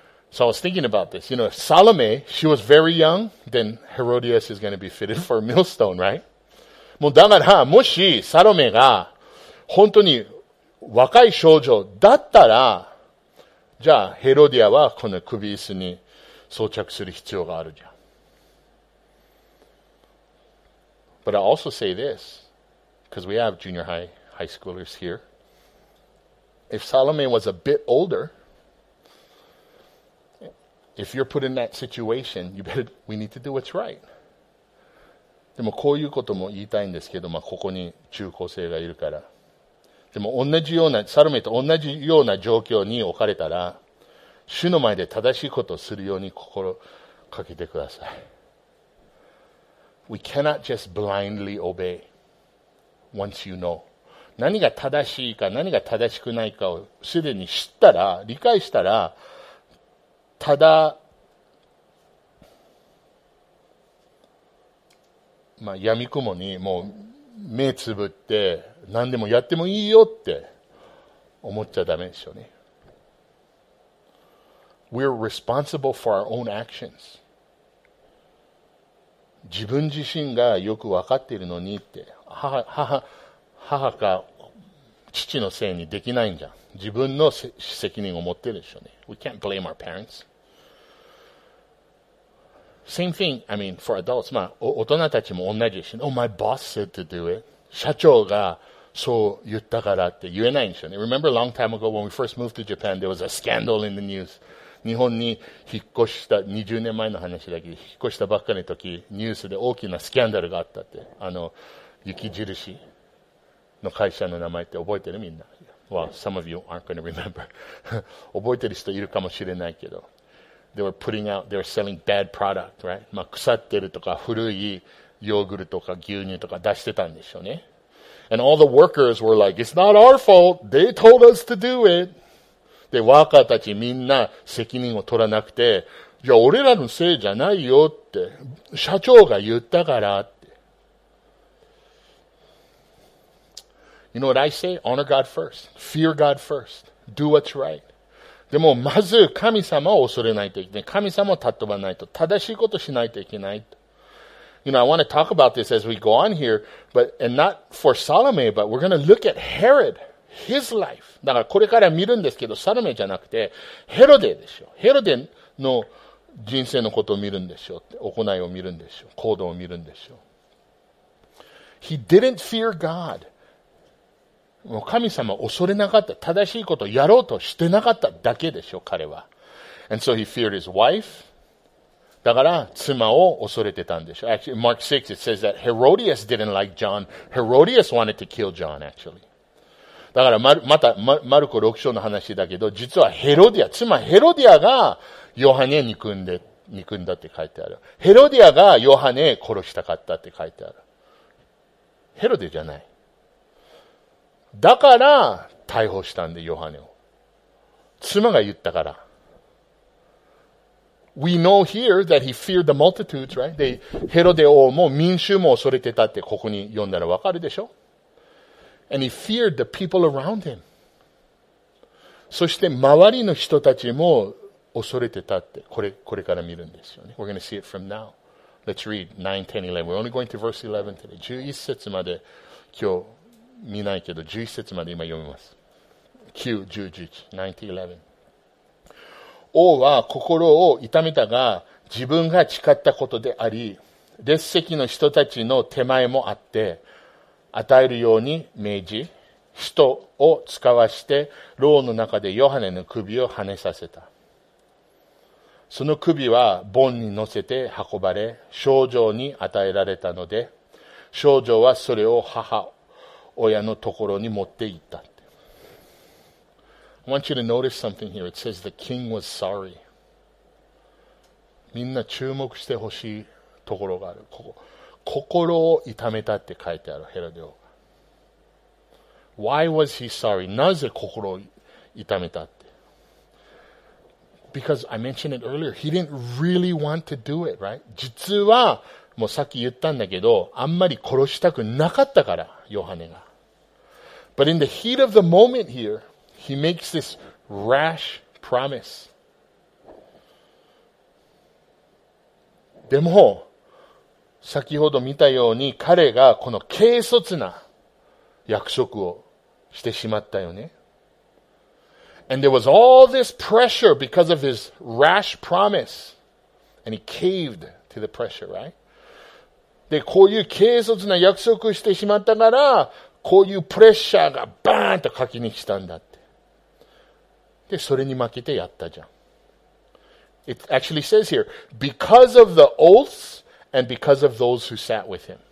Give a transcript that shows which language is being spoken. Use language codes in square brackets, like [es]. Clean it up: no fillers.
[en] So I was thinking about this. You know, if Salome, she was very young, then Herodias is going to be fitted for a millstone, right? [ja] もうだから、もしサロメが本当に若い少女だったら、じゃあヘロディアはこの首椅子に装着する必要があるじゃん。 [en] But I also say this, because we have junior high schoolers here. If Salome was a bit older,If you're put in that situation, you better, we need to do what's right. [ja] でもこういうことも言いたいんですけど、まあ、ここに中高生がいるから。でも同じような、サロメと同じような状況に置かれたら、主の前で正しいことをするように心かけてください。 [en] We cannot just blindly obey once you know. [ja] 何が正しいか、何が正しくないかをすでに知ったら、理解したら、ただ、まあ、闇雲にもう目つぶって何でもやってもいいよって思っちゃダメでしょうね。 [en] We're responsible for our own actions. [ja] 自分自身がよく分かっているのにって、母か父のせいにできないんじゃん。自分の責任を持ってるでしょうね。 [en] We can't blame our parents. Same thing, I mean, for adults. [ja] まあ、大人たちも同じし、 [en] Oh, my boss said to do it. [ja] 社長がそう言ったからって言えないんでしょうね。 [en] Remember a long time ago when we first moved to Japan, there was a scandal in the news. [ja] 日本に引っ越した、20年前の話だけど、引っ越したばっかりの時、ニュースで大きなスキャンダルがあったって。雪印の会社の名前って覚えてるみんな。 [en] Well, some of you aren't going to remember. [ja] 覚えてる人いるかもしれないけど。 [en] They were putting out, they were selling bad product, right? [ja] まあ、腐ってるとか古いヨーグルトか牛乳とか出してたんでしょうね。 [en] And all the workers were like, it's not our fault. They told us to do it. [ja] で、ワーカーたちみんな責任を取らなくて、いや、俺らのせいじゃないよって、社長が言ったからって。 [en] You know what I say? Honor God first. Fear God first. Do what's right. [ja] でも、まず神様を恐れないといけない。神様を尊ばないと。正しいことしないといけない。 [en] You know, I want to talk about this as we go on here, but, and not for Salome, but we're going to look at Herod, his life. [ja] だからこれから見るんですけど、サロメじゃなくて、ヘロデでしょ。ヘロデの人生のことを見るんでしょ。行いを見るんでしょ。行動を見るんでしょ。 [en] He didn't fear God. [ja] もう神様を恐れなかった。正しいことをやろうとしてなかっただけでしょ、彼は。 [en] And so he feared his wife. [ja] だから妻を恐れてたんでしょ。 [en] Actually, Mark 6, it says that Herodias didn't like John. Herodias wanted to kill John, actually. [ja] だからまた、マルコ6章の話だけど、実はヘロディア、妻ヘロディアがヨハネ憎んだって書いてある。ヘロディアがヨハネ殺したかったって書いてある。ヘロディじゃない。だから逮捕したんで、ヨハネを。妻が言ったから。 [en] We know here that he feared the multitudes, right? [ja] で、ヘロデ王も民衆も恐れてたってここに読んだらわかるでしょ? [en] And he feared the people around him. [ja] そして周りの人たちも恐れてたって、これから見るんですよね。 [en] We're going to see it from now. Let's read 9, 10, 11. We're only going to verse 11 today. [ja] 11節まで今日見ないけど、11節まで今読みます。 [en] 9, 10, 11. 9, 11. [ja] 王は心を痛めたが、自分が誓ったことであり、列席の人たちの手前もあって、与えるように命じ、人を使わして、牢の中でヨハネの首をはねさせた。その首は盆に乗せて運ばれ、正女に与えられたので、正女はそれを母親のところに持って行った。 [en] I want you to notice something here. It says the king was sorry. [ja] みんな注目してほしいところがある。ここ、心を痛めたって書いてある、ヘロデ王が。 [en] Why was he sorry? [ja] なぜ心を痛めたって。 [en] Because I mentioned it earlier, he didn't really want to do it, right? [ja] 実は、もうさっき言ったんだけど、あんまり殺したくなかったから、ヨハネが。 [en] But in the heat of the moment here,He makes this rash promise. [ja] でも、先ほど見たように彼がこの軽率な約束をしてしまったよね。 [en] And there was all this pressure because of his rash promise. And he caved to the pressure, right? [ja] で、こういう軽率な約束をしてしまったなら、こういうプレッシャーがバーンと書きに来たんだって。で、それに負けてやったじゃん。 [en] It actually says here, because of the oaths and because of those who sat with him.